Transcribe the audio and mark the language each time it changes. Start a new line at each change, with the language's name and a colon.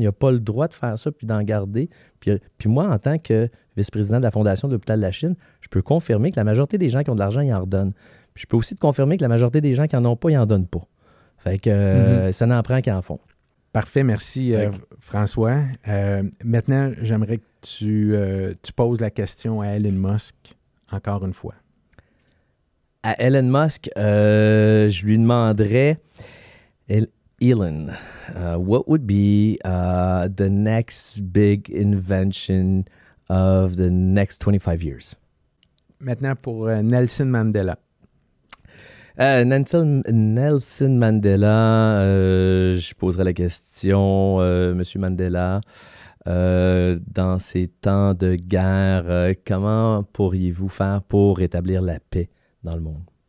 French: Il n'a pas le droit de faire ça, puis d'en garder. Puis moi, en tant que vice-président de la Fondation de l'Hôpital de la Chine, je peux confirmer que la majorité des gens qui ont de l'argent, ils en redonnent. Puis je peux aussi te confirmer que la majorité des gens qui n'en ont pas, ils n'en donnent pas. Fait que ça n'en prend qu'en fond. Parfait, merci François. Maintenant, j'aimerais que tu poses la question à Elon Musk, encore une fois. À Elon Musk, je lui demanderais, Elon,
English: what would be the next big invention of the next 25 years?
French: Maintenant, pour Nelson Mandela. Nelson Mandela, je poserais la question, Monsieur Mandela, dans ces temps de guerre, comment pourriez-vous faire pour rétablir la paix dans le monde?